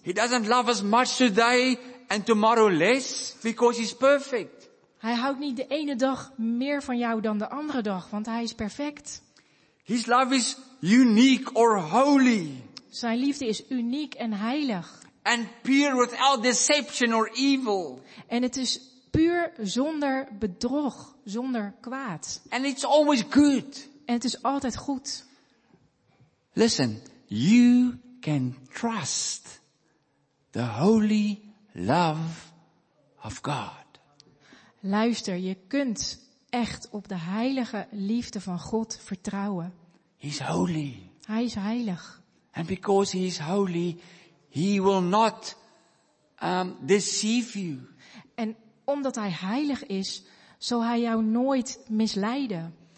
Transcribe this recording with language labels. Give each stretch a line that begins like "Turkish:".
English: He doesn't love us much today and tomorrow less because he's perfect.
Dutch: Hij houdt niet de ene dag meer van jou dan de andere dag, want hij is perfect.
English: His love is unique or holy.
Dutch: Zijn liefde is uniek en heilig.
English: And pure without deception or evil.
Dutch: En het is puur zonder bedrog, zonder kwaad.
English: And it's always good.
Dutch: En het is altijd goed.
English: Listen, you can trust the holy love of God.
Dutch: Luister, je kunt echt op de heilige liefde van God vertrouwen.
English: He's holy.
Dutch: Hij is heilig.
English: And because he is holy, he will not deceive you.
Dutch: En omdat hij heilig is, zal hij jou nooit misleiden.